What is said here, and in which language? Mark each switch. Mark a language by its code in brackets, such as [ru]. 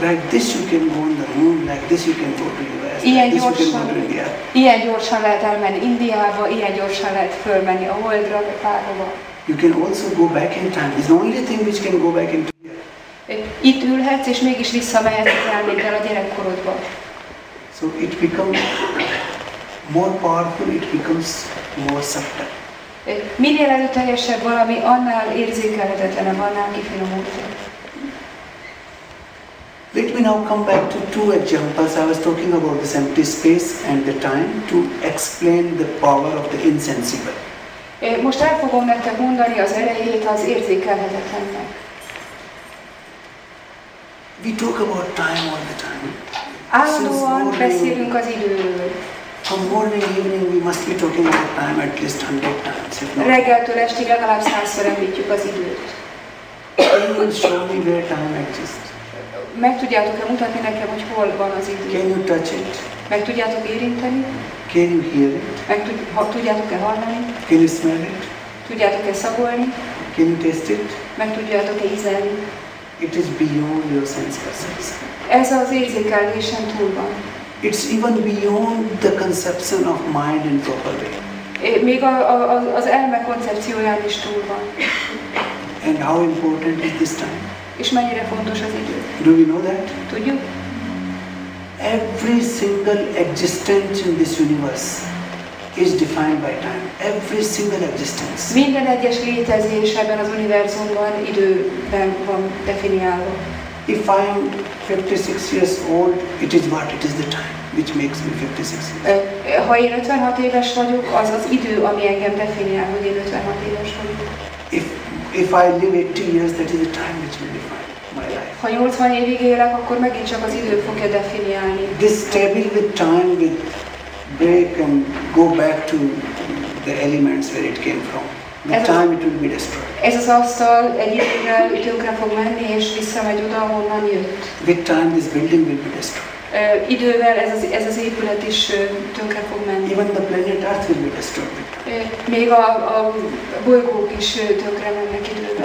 [en] Like this you can go on the moon, like this you can go to the universe. [hu] Ilyen gyorsan lehet elmenni Indiába, ilyen gyorsan lehet fölmenni a Holdra, bárhova. [en] You can also go back in time. It's the only thing which can go back in time. [hu] Itt ülhetsz, és mégis visszamehetsz elmékkel a gyerekkorodba. [en] So it becomes more powerful, it becomes more subtle. [hu] Minél erőteljesebb valami, annál érzékelhetetlenebb, annál kifinomultabb. [en] now come back to two examples. I was talking about this empty space and the time to explain the power of the insensible. [hu] Most el fogom nektek mondani az erejét az érzékelhetetlennek. [en] We talk about time all the time. [hu] Állandóan beszélünk az időről. [en] From morning to evening we must be talking about time at least 100 times. [hu] Reggeltől estig legalább 100-szor említjük az időt. [en] Can you show me where time exists? [hu] Meg tudjátok-e mutatni nekem, hogy hol van az idő? [en] Can you touch it? [hu] Meg tudjátok érinteni? [en] Can you hear it? [hu] Tudjátok-e hallani? [en] Can you smell it? [hu] Tudjátok-e szagolni? [en] Can you taste it? [hu] Meg tudjátok-e ízelni? [en] It is beyond your sense perceptions. [hu] Ez az érzékelésen túl van. [en] It's even beyond the conception of mind and property. [hu] Még az elme koncepcióján is túl van. [en] And how important is this time? [hu] És mennyire fontos az idő? [en] Do we know that? [hu] Tudjuk? [en] Every single existence in this universe is defined by time. Every single existence. [hu] Minden egyes létezés ebben az univerzumban időben van definiálva. [en] If I am 56 years old, it is what? It is the time which makes me 56 years. [hu] Ha én 56 éves vagyok, az az idő, ami engem definiál, hogy én 56 éves vagyok. [en] If I live 80 years, that is the time which will define my life. [hu] Ha 80 évig élek, akkor megint csak az idő fogja definiálni. [en] This table with time will break and go back to the elements where it came from. With time it will be destroyed. [hu] Ez az asztal egy idővel tönkre fog menni és visszamegy oda, ahonnan jött. [en] With time this building will be destroyed. [hu] Idővel ez az épület is tönkre fog menni. [en] Even the planet Earth will be destroyed. [hu] Még a bolygók is tönkre mennek idővel.